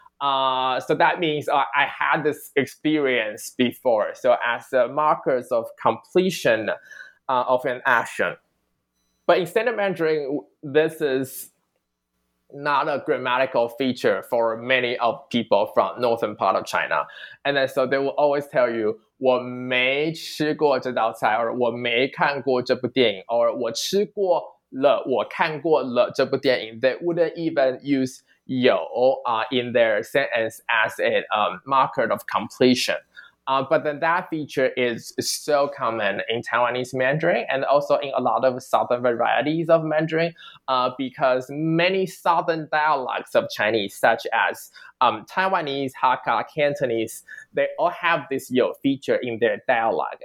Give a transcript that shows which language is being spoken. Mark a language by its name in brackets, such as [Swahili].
[English] So that means I had this experience before. So as the markers of completion of an action. But in standard Mandarin, this is not a grammatical feature for many of people from northern part of China. And then so they will always tell you [Chinese] 我没吃过这道菜, [English] or [Chinese] 我没看过这部电影, [English] or [Chinese] 我吃过了我看过了这部电影. [English] They wouldn't even use 有 in their sentence as a marker of completion. But then that feature is so common in Taiwanese Mandarin and also in a lot of southern varieties of Mandarin because many southern dialects of Chinese, such as Taiwanese, Hakka, Cantonese, they all have this 有 feature in their dialect.